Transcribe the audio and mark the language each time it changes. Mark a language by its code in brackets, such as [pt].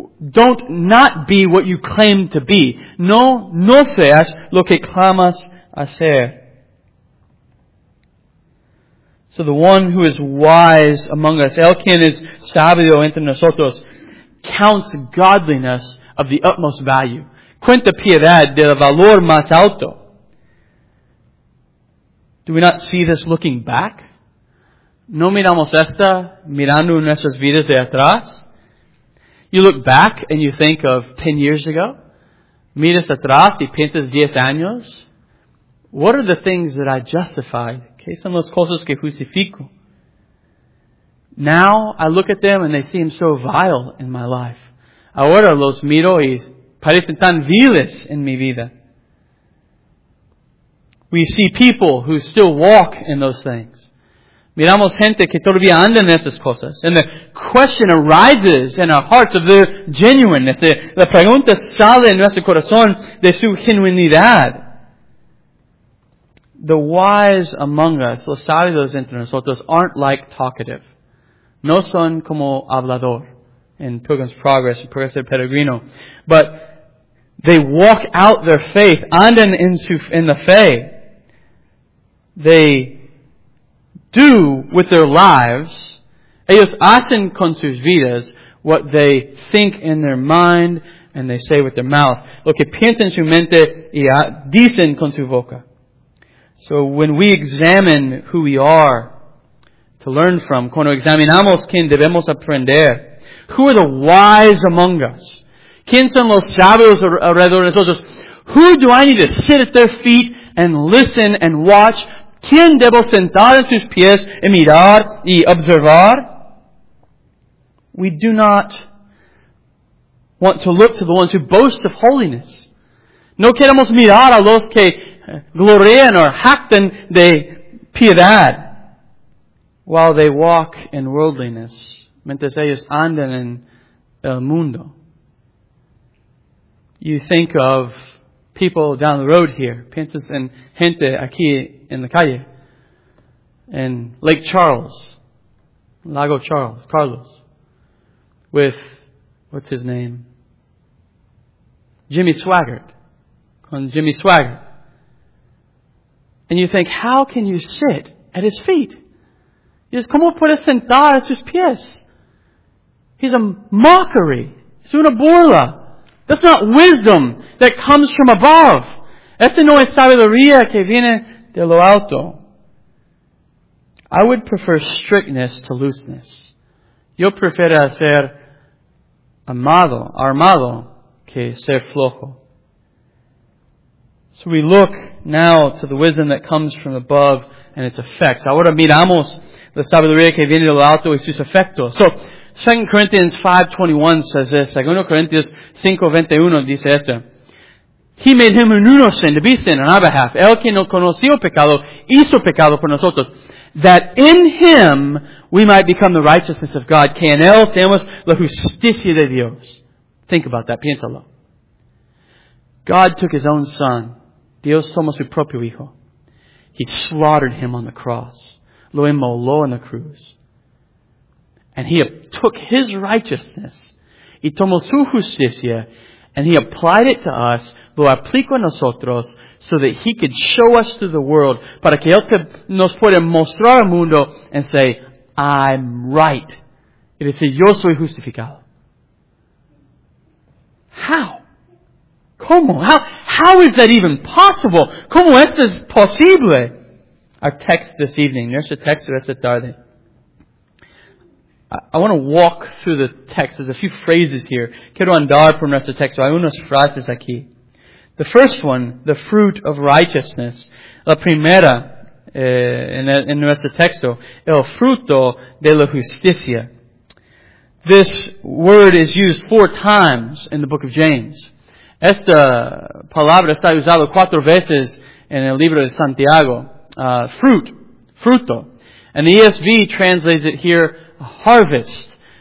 [en] Don't not be what you claim to be. [es] No seas lo que clamas hacer. [en] So the one who is wise among us, [es] el quien es sabio entre nosotros, [en] counts godliness of the utmost value. [es] Cuenta piedad del valor más alto. [en] Do we not see this looking back? [es] No miramos esta mirando nuestras vidas de atrás. [en] You look back and you think of 10 years ago. [es] Miras atrás y piensas 10 años. [en] What are the things that I justified? [es] ¿Qué son las cosas que justifico? [en] Now I look at them and they seem so vile in my life. [es] Ahora los miro y parecen tan viles en mi vida. [en] We see people who still walk in those things. [es] Miramos gente que todavía anda en esas cosas. [en] And the question arises in our hearts of their genuineness. [es] La pregunta sale en nuestro corazón de su genuinidad. [en] The wise among us, [es] los sabios entre nosotros, [en] aren't like talkative. [es] No son como hablador [en] in Pilgrim's Progress, [es] in Progreso del Peregrino. [en] But they walk out their faith, [es] andan [en] in the fe. They do with their lives, [es] ellos hacen con sus vidas [en] what they think in their mind and they say with their mouth. [es] Lo que piensa en su mente y dicen con su boca. [en] So when we examine who we are to learn from, [es] cuando examinamos quién debemos aprender, [en] who are the wise among us? [es] ¿Quién son los sabios alrededor de nosotros? [en] Who do I need to sit at their feet and listen and watch? [es] ¿Quién debo sentar en sus pies y mirar y observar? [en] We do not want to look to the ones who boast of holiness. [es] No queremos mirar a los que glorian or jactan de piedad [en] while they walk in worldliness, [es] mientras ellos andan en el mundo. [en] You think of people down the road here. [es] Piensas en gente aquí en la calle. [en] In Lake Charles. Lago Charles. Carlos. With, what's his name? Jimmy Swaggart. [es] Con Jimmy Swaggart. [en] And you think, how can you sit at his feet? [es] Dices, ¿cómo puedes sentar a sus pies? [en] He's a mockery. [es] Es una burla. [en] That's not wisdom that comes from above. [es] Esta no es sabiduría que viene de lo alto. [en] I would prefer strictness to looseness. [es] Yo prefiero ser amado, armado, que ser flojo. [en] So we look now to the wisdom that comes from above and its effects. [es] Ahora miramos la sabiduría que viene de lo alto y sus efectos. [en] So, 2 Corinthians 5:21 says this. 2 Corinthians 5:21 [es] dice esto. [en] He made him who knew no sin to be sin on our behalf. [es] El que no conoció pecado hizo pecado por nosotros. [en] That in him we might become the righteousness of God. [es] Que en él seamos la justicia de Dios. [en] Think about that. [es] Piénsalo. [en] God took his own son. [es] Dios tomó su propio hijo. [en] He slaughtered him on the cross. [es] Lo inmoló en la cruz. [en] And he took his righteousness, [es] y tomó su justicia, [en] and he applied it to us, [es] lo aplicó a nosotros, [en] so that he could show us through the world, [es] para que él nos pueda mostrar al mundo, [en] and say, I'm right. [es] Y decir, yo soy justificado. [en] How? ¿Cómo? How is that even possible? [es] ¿Cómo esto es posible? [en] Our text this evening, [es] nuestro texto esta tarde. [en] I want to walk through the text. There's a few phrases here. [es] Quiero andar por nuestro texto. Hay unas frases aquí. [en] The first one, the fruit of righteousness. [es] La primera en nuestro texto, el fruto de la justicia. [en] This word is used 4 times in the book of James. [es] Esta palabra está usada 4 veces en el libro de Santiago. [en] Fruit, fruto. And the ESV translates it here, harvest.